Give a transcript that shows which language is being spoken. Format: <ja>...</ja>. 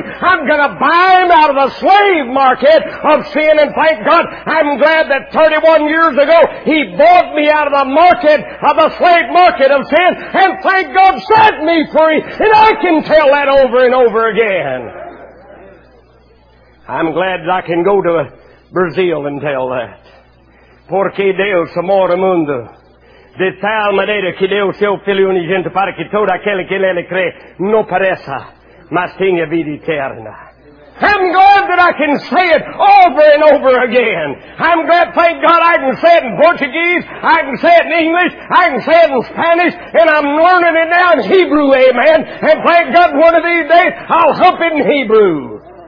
<en>I'm going to buy him out of the slave market of sin, and thank God, I'm glad that 31 years ago, he bought me out of the market of the slave market of sin, and thank God, set me free, and I can tell that over and over again. I'm glad I can go to Brazil and tell that.</en> <pt>Porque Deus amor mundo. De tal maneira que deu seu filho unigênito para que todo aquele que nele crê não pereça, mas tenha vida eterna.</pt> <en>I'm glad that I can say it over and over again. I'm glad, thank God, I can say it in Portuguese, I can say it in English, I can say it in Spanish, and I'm learning it now in Hebrew, amen. And thank God, one of these days, I'll help it in Hebrew.</en>